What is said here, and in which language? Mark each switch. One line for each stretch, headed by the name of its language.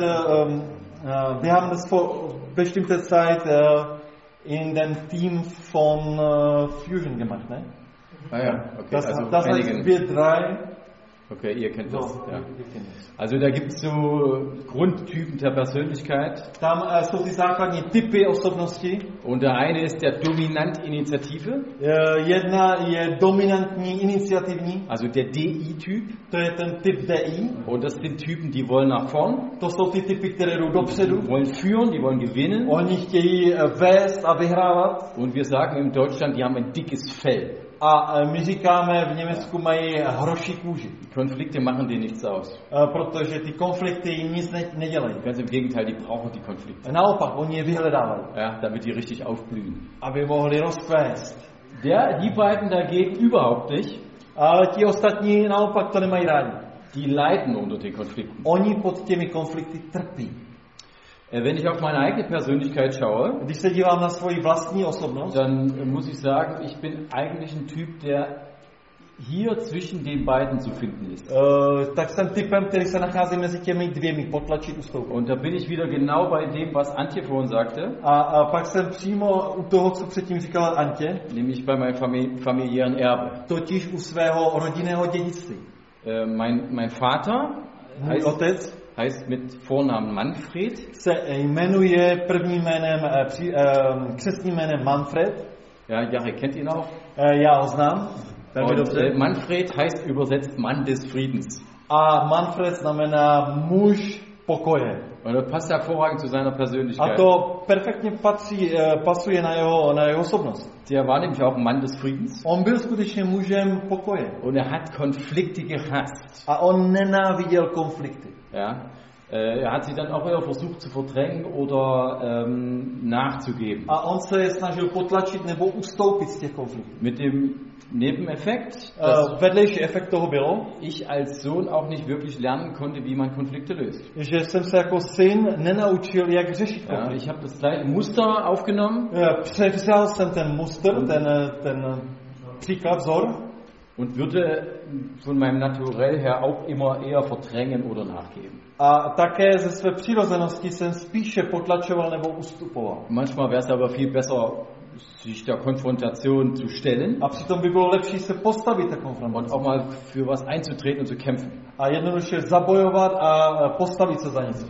German: wir haben das vor bestimmter Zeit in dem Team von Fusion gemacht, ne? Ah ja, okay. Das, also das heißt, wir drei... Okay, ihr kennt das. Ja. Also da gibt es so Grundtypen der Persönlichkeit.
Czech: Tam jsou ty základní typy osobnosti.
German: Und der eine ist der Dominant-Initiative.
Czech: Jedna je dominantní, iniciativní.
German: Also der DI-Typ.
Czech: To je ten typ DI.
German: Und das sind Typen, die wollen nach vorn.
Czech: To jsou ty typy, které jdou dopředu.
German: Die wollen führen, die wollen gewinnen.
Czech: Oni chtějí vést a vyhrávat.
German: Und wir sagen in Deutschland, die haben ein dickes Fell.
Czech: A my říkáme, v Německu mají hroší kůži.
German: Konflikty machen die nichts aus.
Czech: Protože ty konflikty nic nedělají.
German: Ganz im Gegenteil, die brauchen die Konflikte.
Czech: Naopak, oni je vyhledávají.
German: Ja, damit die richtig aufblühen.
Czech: Aby mohli rozkvést.
German: Die beiden dagegen überhaupt nicht.
Czech: Ale ti ostatní naopak to nemají rádi.
German: Die leiden unter den Konflikten.
Czech: Oni pod těmi konflikty trpí.
German: Wenn ich auf meine eigene Persönlichkeit schaue,
Czech: když se dívám na svoji vlastní osobnost,
German: dann muss ich sagen, ich bin eigentlich ein Typ, der hier zwischen den beiden zu finden ist.
Czech: Tak jsem typem, který se nachází mezi těmi dvěmi, potlačit, ustoupit.
German: Und da bin ich wieder genau bei dem, was Antje vorhin sagte.
Czech: A pak jsem přímo u toho, co předtím říkala Antje.
German: Nämlich bei meinem familiären Erbe.
Czech: Totiž u svého rodinného dědictví.
German: Mein Vater,
Czech: můj otec,
German: heißt mit Vornamen Manfred.
Czech: Se jmenuje prvním jménem, křestním jménem Manfred.
German: Ja, Jari, kennt ihn auch?
Czech: Já ho znám.
German: Manfred heißt übersetzt Mann des Friedens.
Czech: A Manfred znamená muž pokoje.
German: Und das passt hervorragend zu seiner Persönlichkeit.
Czech: A to perfektně pasuje na jeho osobnost.
German: Der war nämlich auch ein Mann des Friedens.
Czech: On byl skutečně mužem pokoje.
German: Und er hat Konflikte gehasst.
Czech: A on nenáviděl konflikty.
German: Ja, er hat sie dann auch eher versucht zu verdrängen oder nachzugeben.
Czech: A on se je snažil potlačit nebo ustoupit z těch konfliktů.
German: Mit dem Nebeneffekt,
Czech: vedlejší efekt toho bylo,
German: ich als Sohn auch nicht wirklich lernen konnte, wie man Konflikte löst.
Czech: Že jsem se jako syn nenaučil, jak řešit konflikty.
German: Ja, ich habe das gleiche Muster aufgenommen.
Czech: Převzal jsem ten muster, ten příklad, vzor.
German: Und würde von meinem Naturell her auch immer eher verdrängen oder nachgeben.
Czech: A také ze své přirozenosti jsem spíše potlačoval nebo ustupoval.
German: Manchmal wäre es aber viel besser, sich der Konfrontation zu stellen.
Czech: A přitom by bylo lepší se postavit té konfrontaci.
German: Und auch mal für was einzutreten und zu kämpfen.
Czech: A jednoduše zabojovat a postavit se za něco.